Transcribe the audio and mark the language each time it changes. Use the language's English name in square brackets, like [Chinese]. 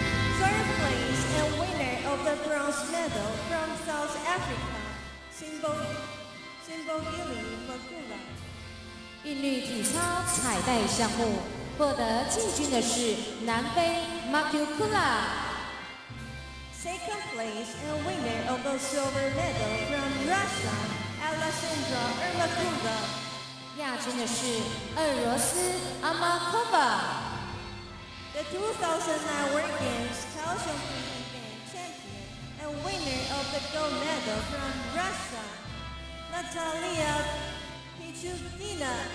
[English] the bronze medal from South Africa, Simbokile Magula. [Chinese] 韵律体操彩带项目获得季军的是南非 Makukula。 [English] Second place and winner of the silver medal from Russia, Alexandra Ermakova. [Chinese] 亚军的是俄罗斯 Amakova。 [English] The 2009 World Games Calcium Event champion and winner of the gold medal from Russia, Natalia Pichutina。